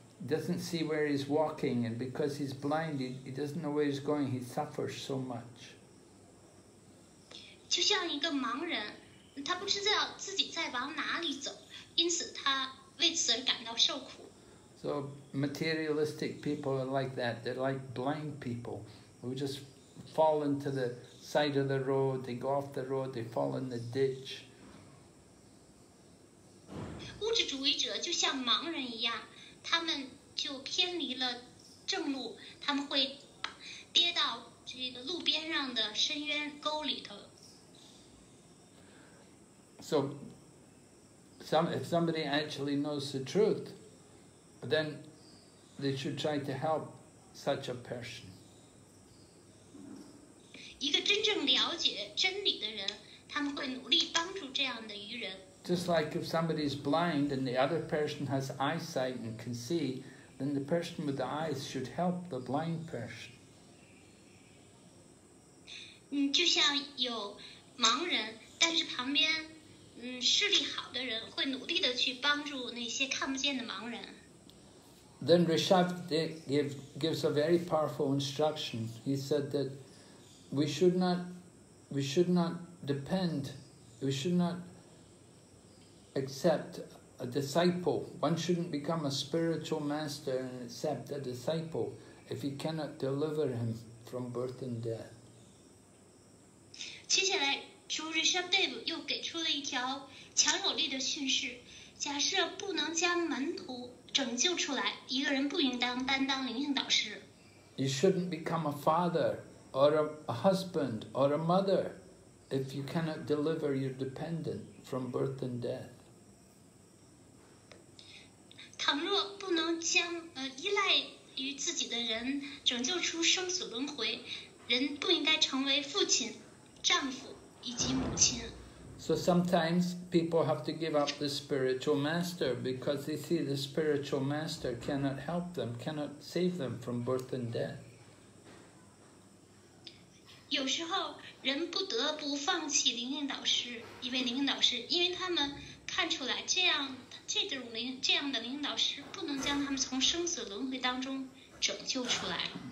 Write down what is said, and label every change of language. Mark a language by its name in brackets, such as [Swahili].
[English] Doesn't see where he's walking, and because he's blind, he doesn't know where he's going. He suffers so much. [Chinese] 就像一个盲人，他不知道自己在往哪里走，因此他为此而感到受苦。 [English] So materialistic people are like that. They're like blind people who just fall into the side of the road. They go off the road. They fall in the ditch. [Chinese] 物质主义者就像盲人一样，他们。就偏离了正路，他们会跌到这个路边上的深渊沟里头。 [English] So, if somebody actually knows the truth, then they should try to help such a person. [Chinese] 一个真正了解真理的人，他们会努力帮助这样的愚人。 [English] Just like if somebody is blind and the other person has eyesight and can see, then the person with the eyes should help the blind person. [Chinese] 就像有盲人，但是旁边视力好的人会努力的去帮助那些看不见的盲人。 [English] Then Rishabh gives a very powerful instruction. He said that we should not accept a disciple. One shouldn't become a spiritual master and accept a disciple if he cannot deliver him from birth and death. [Chinese] 接下来主 Rishabh Dev 又给出了一条强有力的训示，假设不能将门徒拯救出来，一个人不应当担当灵性导师。 [English] You shouldn't become a father or a husband or a mother if you cannot deliver your dependent from birth and death. [Chinese] 倘若不能将依赖于自己的人拯救出生死轮回，人不应该成为父亲、丈夫以及母亲。 [English] So sometimes people have to give up the spiritual master because they see the spiritual master cannot help them, cannot save them from birth and death. [Chinese] 有时候人不得不放弃灵性导师，因为灵性导师，因为他们看出来这样的灵性导师不能将他们从生死轮回当中拯救出来。